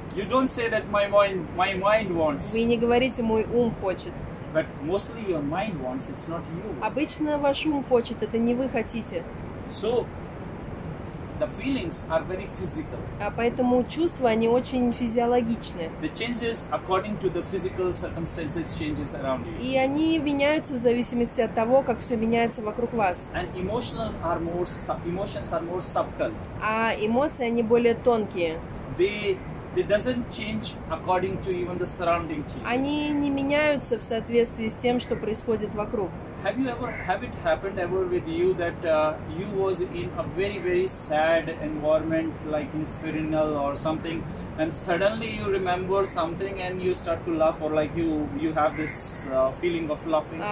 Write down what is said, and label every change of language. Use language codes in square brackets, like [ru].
[en] You don't say that my mind wants. [ru] Вы не говорите мой ум хочет. [en] But mostly your mind wants. It's not you. [ru] Обычно ваш ум хочет, это не вы хотите. [en] So the feelings are very physical. [ru] А поэтому чувства, они очень физиологичны. [en] The changes according to the physical circumstances changes around you. [ru] И они меняются в зависимости от того, как все меняется вокруг вас. [en] And emotions are more subtle. [ru] А эмоции, они более тонкие. [en] They doesn't change according to even the surrounding changes. [ru] Они не меняются в соответствии с тем, что происходит вокруг. [en] Have it happened ever with you that you was in a very very sad environment like infernal or something, and suddenly you remember something and you start to laugh, or like you have this feeling of laughing?